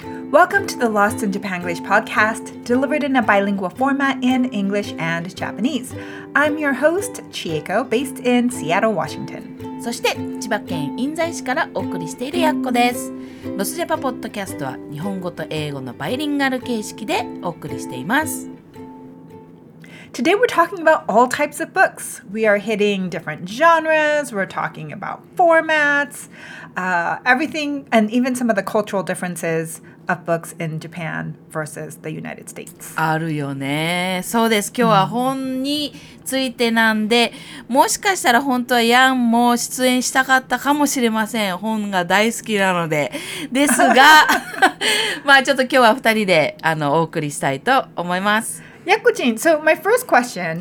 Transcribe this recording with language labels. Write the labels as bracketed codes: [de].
[en] Welcome to the Lost in Japan English podcast, delivered in a bilingual format in English and Japanese. I'm your host, Chieko, based in Seattle, Washington. [ja] そして千葉県印西市からお送りしているやっこです。ロスジャパポッドキャストは日本語と英語のバイリンガル形式でお送りしています。 [en] Today we're talking about all types of books. We are hitting different genres, we're talking about formats, everything, and even some of the cultural differences of books in Japan versus the United States. [ja] あるよね。そうです。今日は本についてなんで、もしかしたら本当はヤンも出演したかったかもしれません。本が大好きなので。ですが、まあちょっと今日は二人でお送りしたいと思います。 [en] Yakujin, so my first question,